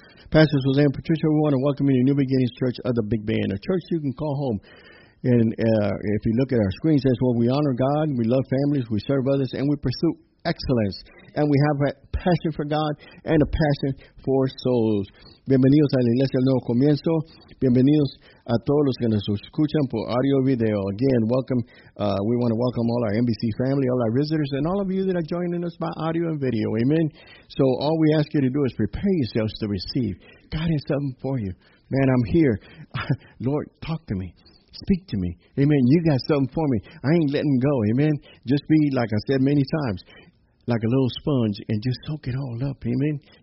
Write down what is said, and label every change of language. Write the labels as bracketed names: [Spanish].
[English] Pastor Jose and Patricia, we want to welcome you to New Beginnings Church of the Big Bend, a church you can call home. And if you look at our screens, that's where we honor God, we love families, we serve others, and we pursue excellence. And we have a passion for God and a passion for souls. [Spanish] Bienvenidos a la Iglesia del Nuevo Comienzo. Bienvenidos a todos los que nos escuchan por audio video. [English] Again, welcome. We want to welcome all our NBC family, all our visitors, and all of you that are joining us by audio and video. Amen. So all we ask you to do is prepare yourselves to receive. God has something for you. Man, I'm here. Lord, talk to me. Speak to me. Amen. You got something for me. I ain't letting go. Amen. Just be, like I said many times, like a little sponge and just soak it all up. Amen.